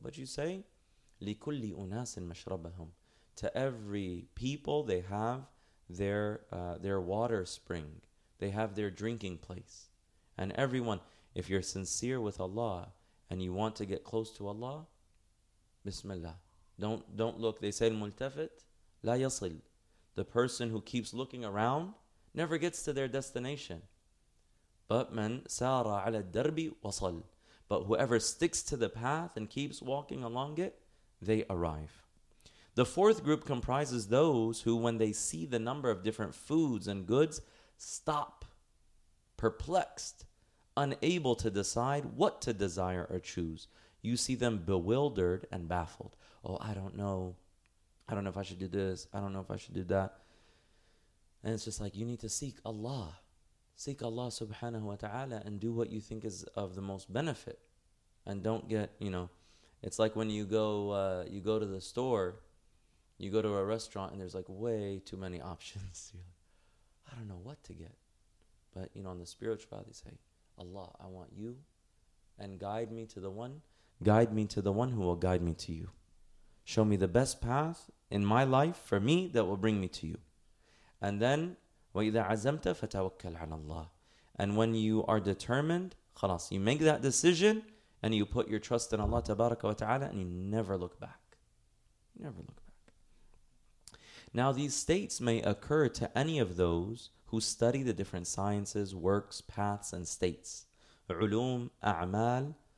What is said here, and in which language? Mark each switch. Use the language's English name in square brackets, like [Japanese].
[English] But you say, [Arabic] لِكُلِّ أُنَاسٍ مَشْرَبَهُمْ. [English] To every people, they have their water spring. They have their drinking place. And everyone, if you're sincere with Allah and you want to get close to Allah, Bismillah. Don't look. They say, [Arabic] الملتفت لا يصل. [English] The person who keeps looking around never gets to their destination. But [Arabic] من سار على الدرب وصل. [English] But whoever sticks to the path and keeps walking along it, they arrive. The fourth group comprises those who, when they see the number of different foods and goods, stop, perplexed, unable to decide what to desire or choose. You see them bewildered and baffled. Oh, I don't know. I don't know if I should do this. I don't know if I should do that. And it's just like, you need to seek Allah. Seek Allah subhanahu wa ta'ala and do what you think is of the most benefit. And don't get, it's like when you go to the store, you go to a restaurant and there's like way too many options. You're like, I don't know what to get. But, on the spiritual path, you say, Allah, I want you, and guide me to the one who will guide me to you. Show me the best path in my life for me that will bring me to you. And then, [Arabic] وَإِذَا عَزَمْتَ فَتَوَكَّلْ عَلَى اللَّهِ. [English] And when you are determined, خلاص, you make that decision and you put your trust in Allah tabaraka wa ta'ala and you never look back. Never look back. Now these states may occur to any of those who study the different sciences, works, paths, and states. [Arabic] عُلُوم, أَعْمَال,